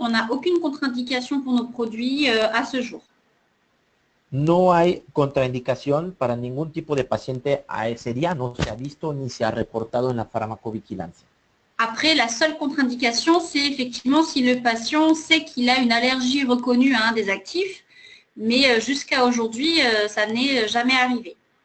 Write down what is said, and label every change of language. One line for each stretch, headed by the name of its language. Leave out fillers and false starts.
French: On n'a aucune contraindication pour nos produits à ce jour.
Spanish: No hay contraindicación para ningún tipo de paciente a ese día. No se ha visto ni se ha reportado en la farmacovigilancia.
French: Après, la seule contre-indication, c'est effectivement si le patient sait qu'il a une allergie reconnue à un des actifs, mais jusqu'à aujourd'hui, ça n'est jamais arrivé.